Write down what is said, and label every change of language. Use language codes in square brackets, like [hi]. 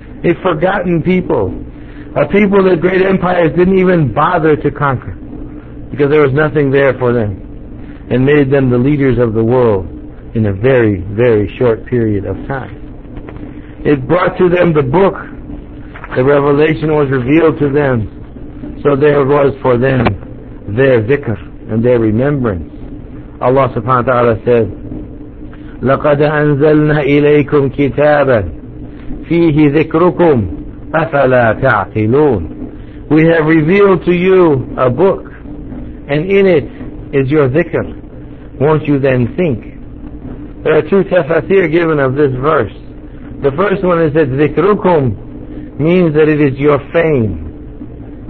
[en] a forgotten people, a people that great empires didn't even bother to conquer because there was nothing there for them, and made them the leaders of the world in a very, very short period of time. It brought to them the book. The revelation was revealed to them. So there was for them their dhikr and their remembrance. Allah subhanahu wa ta'ala said, [ar] لَقَدْ أَنزَلْنَا إِلَيْكُمْ كِتَابًا فِيهِ ذِكْرُكُمْ أَفَلَا تَعْقِلُونَ. [en] We have revealed to you a book, and in it is your dhikr. Won't you then think? There are two tafasir given of this verse. The first one is that ذِكْرُكُمْ means that it is your fame.